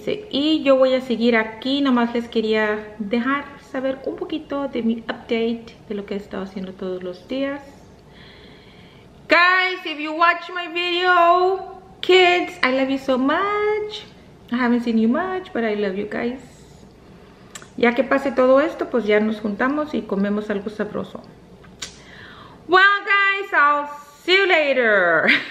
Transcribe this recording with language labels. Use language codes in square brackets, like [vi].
[es] Y yo voy a seguir aquí, nomás les quería dejar saber un poquito de mi update de lo que he estado haciendo todos los días. [en] Guys, if you watch my video, kids, I love you so much. I haven't seen you much, but I love you guys. [es] Ya que pase todo esto, pues ya nos juntamos y comemos algo sabroso. [en] Well, guys, I'll see you later.